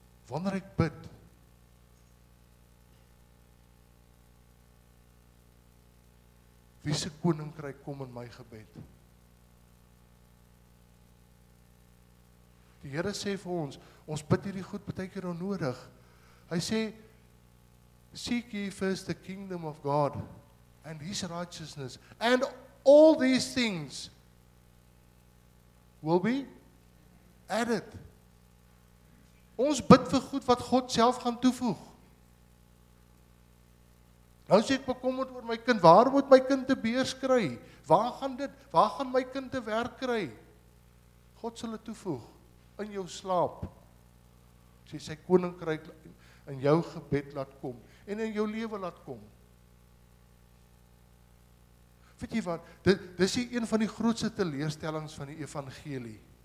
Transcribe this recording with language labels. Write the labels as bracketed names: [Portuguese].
[Afrikaans] Wanneer ek bid, wie se koninkryk kom in my gebed? Die Here sê vir ons, ons bid hierdie goed baie keer onnodig. Hy sê, [English] seek ye first the kingdom of God and his righteousness and all these things will be added. [Afrikaans] Ons bid vir goed wat God self gaan toevoeg. Nou sê ek bekommerd oor my kind, waar moet my kind te beurs kry? Waar gaan my kind te werk kry? God sal dit toevoeg, in jou slaap. Sê sy koninkryk in jou gebed laat kom, en in jou lewe laat kom. Weet jy wat, dis hier een van die grootste teleurstellings van die evangelie.